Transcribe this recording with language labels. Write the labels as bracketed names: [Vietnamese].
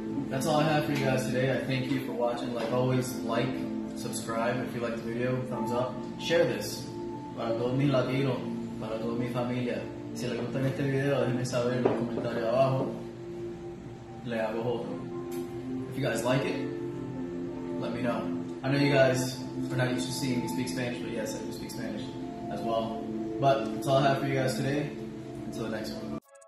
[English] That's all I have for you guys today. I thank you for watching. Like always, like, subscribe if you like the video, thumbs up. Share this. [Spanish] Para todos mis latinos, para toda mi familia. Si les gustan este video, déjenme saber en los comentarios abajo. Le hago otro. [English] If you guys like it, let me know. I know you guys are not used to seeing me speak Spanish, but yes, I do speak Spanish as well. But that's all I have for you guys today. Until the next one.